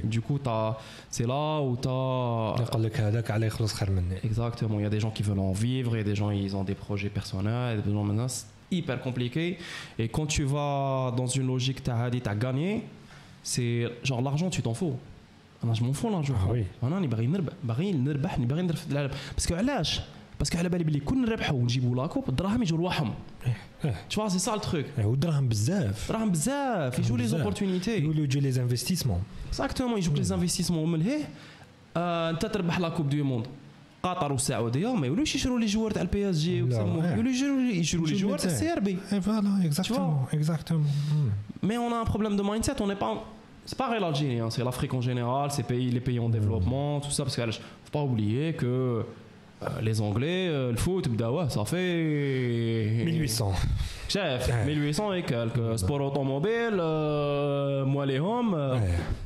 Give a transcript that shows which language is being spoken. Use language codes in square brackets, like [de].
[fr] du coup c'est là où t'as exactement il y a des gens qui veulent en vivre il y a des gens ils ont des projets personnels des besoins maintenant c'est hyper compliqué et quand tu vas dans une logique t'as gagné c'est genre l'argent tu t'en fous non, je m'en fous l'argent ah, oui. non, on veut gagner parce que [ar] علاش [fr] parce que [ar] علبالي بلي كون نربحو ونجيبو لاكوب الدراهم يجيو لواحهم [fr] tu vois c'est ça le truc [ar] et الدراهم بزاف الدراهم بزاف يجيو [fr] les opportunités [ar] يجيو [fr] les investissements exactement [ar] يجيو [fr] les investissements [ar] ومن هيه انت تربح لاكوب دو موند قطر والسعوديه ما يقولوش يشرو لي جوار تاع البي اس جي يقولو يجرو لي جوار تاع السيربي [fr] فوالا exactement mais on a un problème de mindset on n'est pas c'est pas réel l'Algérie c'est l'Afrique en général ces pays les pays en développement tout ça parce que faut pas oublier que les Anglais, le foot, ouais, ça fait... 1800. Chef, ouais. 1800 et quelques. Sport automobile, moi les hommes, ouais.